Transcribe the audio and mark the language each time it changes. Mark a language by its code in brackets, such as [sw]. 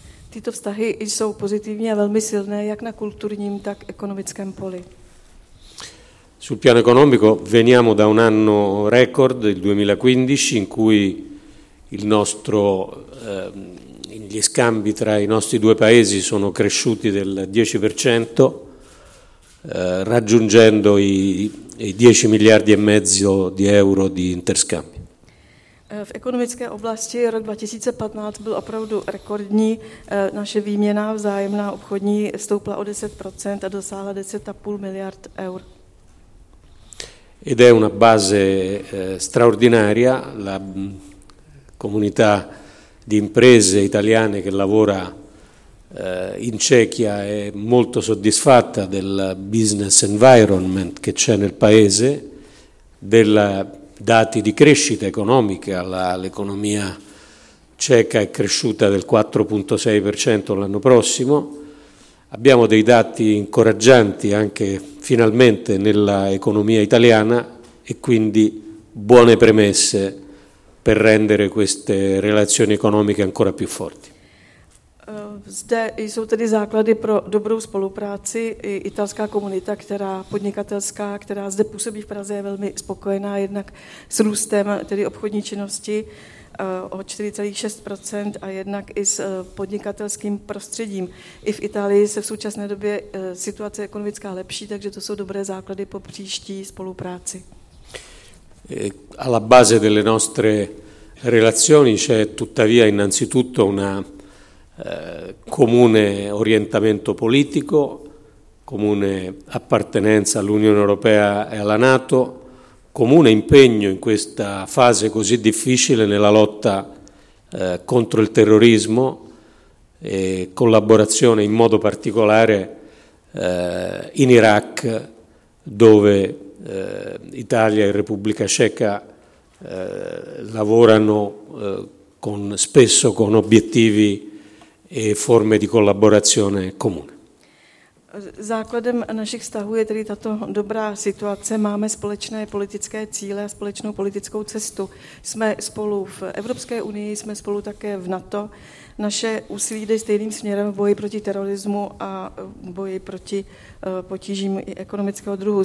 [cs] Tyto vztahy jsou pozitivní a velmi silné jak na kulturním, tak ekonomickém poli. [it] Sul piano economico veniamo da un anno record, il 2015, in cui il nostro gli scambi tra i nostri due paesi sono cresciuti del 10%, raggiungendo i 10 miliardi e mezzo di euro di interscambi. [cs] V ekonomické oblasti rok 2015 byl opravdu rekordní. Naše výměna vzájemná obchodní stoupla o 10% a dosáhla 10,5 miliard eur. [it] Ed è una base straordinaria, la comunità di imprese italiane che lavora in Cechia è molto soddisfatta del [en] business environment [it] che c'è nel paese, dei dati di crescita economica, l'economia ceca è cresciuta del 4,6% l'anno prossimo. Abbiamo dei dati incoraggianti anche finalmente nella economia italiana e quindi buone premesse per rendere queste relazioni economiche ancora più forti. [cs] Zde jsou tedy základy pro dobrou spolupráci. I italská komunita, která podnikatelská, která zde působí v Praze, je velmi spokojená jednak s růstem tedy obchodní činnosti o 4,6% a jednak i s podnikatelským prostředím. I v Itálii se v současné době situace ekonomická lepší, takže to jsou dobré základy po příští spolupráci. [it] Alla base delle nostre relazioni c'è tuttavia innanzitutto una comune orientamento politico, comune appartenenza all'Unione Europea e alla NATO, comune impegno in questa fase così difficile nella lotta contro il terrorismo e collaborazione in modo particolare in Iraq, dove Italia e Repubblica Ceca lavorano spesso con obiettivi e forme di collaborazione comune. [cs] Základem našich vztahů je tedy tato dobrá situace. Máme společné politické cíle a společnou politickou cestu. Jsme spolu v Evropské unii, jsme spolu také v NATO. Naše úsilí jde stejným směrem v boji proti terorismu a boji proti potížím ekonomického druhu.